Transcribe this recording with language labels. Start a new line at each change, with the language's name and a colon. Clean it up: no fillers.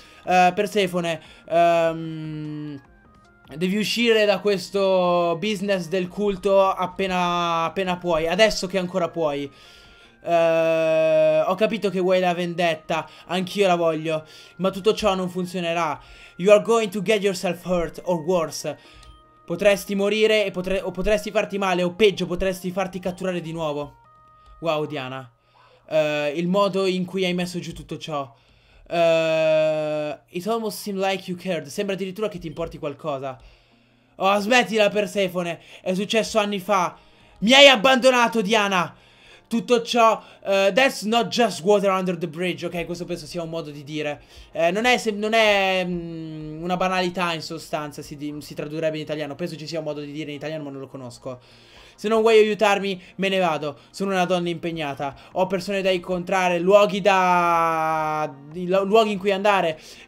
Italian: Persefone, devi uscire da questo business del culto appena puoi. Adesso che ancora puoi. Ho capito che vuoi la vendetta, anch'io la voglio, ma tutto ciò non funzionerà.
English: You are going to get yourself hurt or worse.
Italian: Potresti morire e o potresti farti male, o peggio, potresti farti catturare di nuovo. Wow, Diana. Il modo in cui hai messo giù tutto ciò.
English: It almost seemed like you cared.
Italian: Sembra addirittura che ti importi qualcosa. Oh, smettila, Persephone. È successo anni fa. Mi hai abbandonato, Diana. Tutto ciò,
English: that's not just water under the bridge, ok?
Italian: Questo penso sia un modo di dire. Una banalità, in sostanza, si tradurrebbe in italiano. Penso ci sia un modo di dire in italiano, ma non lo conosco. Se non vuoi aiutarmi, me ne vado. Sono una donna impegnata. Ho persone da incontrare, luoghi in cui andare.